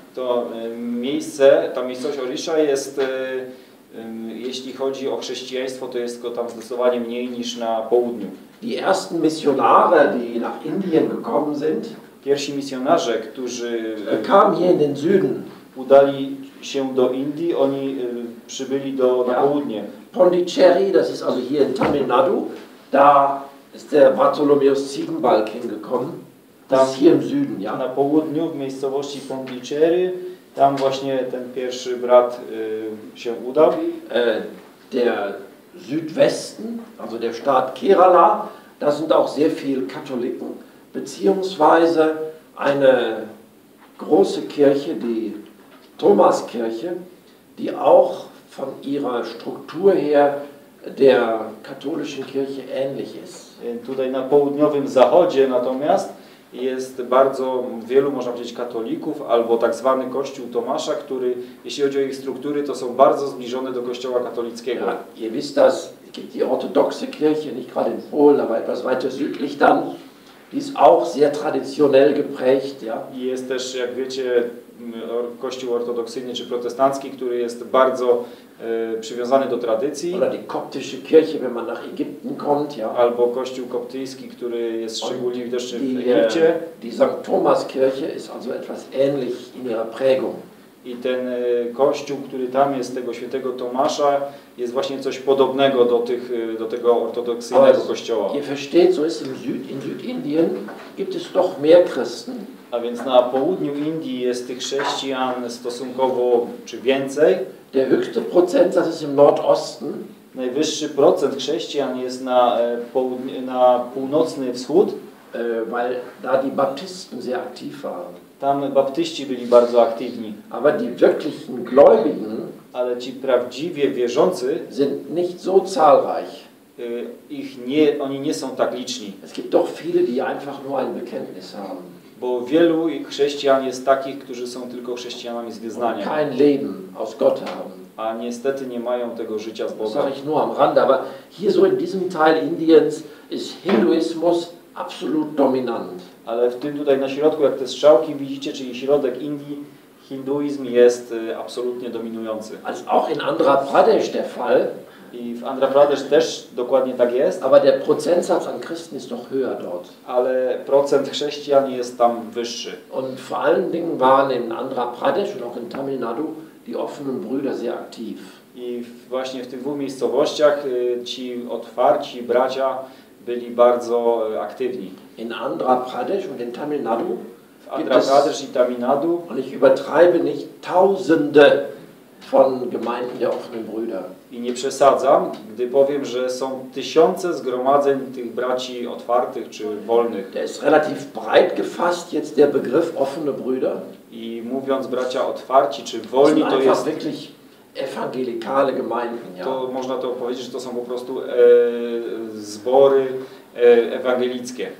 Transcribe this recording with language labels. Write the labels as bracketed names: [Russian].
[Polish] To miejsce, ta miejscowość Odisha jest, jeśli chodzi o chrześcijaństwo, to jest go tam zdecydowanie mniej niż na południu. [German] Die ersten Missionare, die nach Indien gekommen sind, [Polish] pierwsi misjonarze, którzy [German] kamen hier in den Süden, [Polish] udali się do Indii, oni przybyli do na południe. [German] Pondicherry, das ist also hier in Tamil Nadu, da ist der Bartholomäus Ziegenbalg hingekommen. Das ist hier im Süden, ja. [Polish] Na południu, w miejscowości Pondicherry, tam właśnie ten pierwszy brat się udał. [German] Der Südwesten, also der Staat Kerala, da sind auch sehr viele Katholiken, beziehungsweise eine große Kirche, die Thomaskirche, die auch von ihrer Struktur her der katholischen Kirche ähnlich ist. [Polish] Tutaj na południowym zachodzie natomiast jest bardzo wielu, można powiedzieć, katolików albo tak zwany Kościół Tomasza, który, jeśli chodzi o ich struktury, to są bardzo zbliżone do Kościoła katolickiego. [German] Ihr wisst das, gibt die orthodoxe Kirche, nicht gerade in Polen, aber etwas weiter südlich dann, die ist auch sehr traditionell geprägt, ja. [Polish] I jest też, jak wiecie, Kościół ortodoksyjny czy protestancki, który jest bardzo przywiązany do tradycji. [German] Oder die koptische Kirche, wenn man nach Ägypten kommt, ja. [Polish] Albo kościół koptyjski, który jest szczególnie widoczny w Egipcie. [German] Die St. Thomas Kirche ist also etwas ähnlich in ihrer Prägung. [Polish] I ten kościół, który tam jest, tego świętego Tomasza, jest właśnie coś podobnego do tych, do tego ortodoksyjnego kościoła. [German] Ihr versteht, so ist in Südindien gibt es doch mehr Christen. [Polish] A więc na południu Indii jest tych chrześcijan stosunkowo czy więcej. [German] Der höchste procent, das ist im Nordosten. [Polish] Najwyższy procent chrześcijan jest na północny wschód, [German] weil da die Baptisten sehr aktiv waren. [Polish] Tam baptyści byli bardzo aktywni. [German] Aber die wirklichen Gläubigen, [Polish] ale ci prawdziwie wierzący, [German] sind nicht so zahlreich. [Polish] Ich nie, oni nie są tak liczni. [German] Es gibt doch viele, die einfach nur ein Bekenntnis haben. [Polish] Bo wielu chrześcijan jest takich, którzy są tylko chrześcijanami z wyznania. [German] Kein Leben aus Gott haben. [Polish] A niestety nie mają tego życia z Bogiem. [German] Sag ich nur am Rande, aber hier so in diesem Teil Indiens ist Hinduismus absolut dominant. [Polish] Ale w tym tutaj na środku, jak te strzałki widzicie, czyli środek Indii, hinduizm jest absolutnie dominujący. [German] Als auch in Andhra Pradesh der Fall. [Polish] I w Andhra Pradesh też dokładnie tak jest. [German] Aber der Prozentsatz an Christen ist noch höher dort. [Polish] Ale procent chrześcijan jest tam wyższy. [German] Und vor allen Dingen waren in Andhra Pradesh und auch in Tamil Nadu die offenen Brüder sehr aktiv. [Polish] I właśnie w tych dwóch miejscowościach ci otwarci bracia byli bardzo aktywni. [German] In Andhra Pradesh und in Tamil Nadu. [Polish] W Andhra Pradesh i Tamil Nadu. [German] Und ich übertreibe nicht, tausende von Gemeinden der offenen Brüder. [Polish] I nie przesadzam, gdy powiem, że są tysiące zgromadzeń tych braci otwartych czy wolnych. [German] Der ist relativ breit gefasst jetzt der Begriff offene Brüder. [Polish] I mówiąc bracia otwarci czy wolni, to jest [German] wirklich ewangelikale Gemeinden, ja. [Polish] To można to powiedzieć, że to są po prostu zbory ewangelickie.